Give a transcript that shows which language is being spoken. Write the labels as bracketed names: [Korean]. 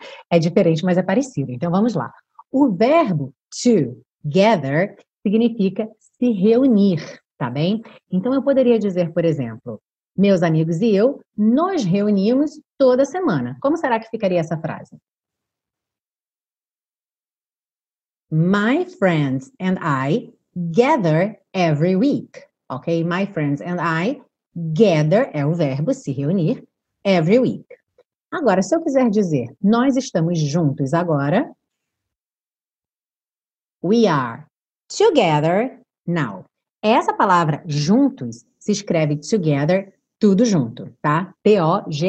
[Portuguese] É diferente, mas é parecido. Então vamos lá. O verbo to gather significa se reunir, tá bem? Então eu poderia dizer, por exemplo, meus amigos e eu nos reunimos toda semana. Como será que ficaria essa frase? [English] My friends and I gather every week, ok? My friends and I gather [Portuguese] é o verbo se reunir [English] every week. [Portuguese] Agora, se eu quiser dizer nós estamos juntos agora, [English] we are together now. [Portuguese] Essa palavra juntos se escreve together tudo junto, tá? Together.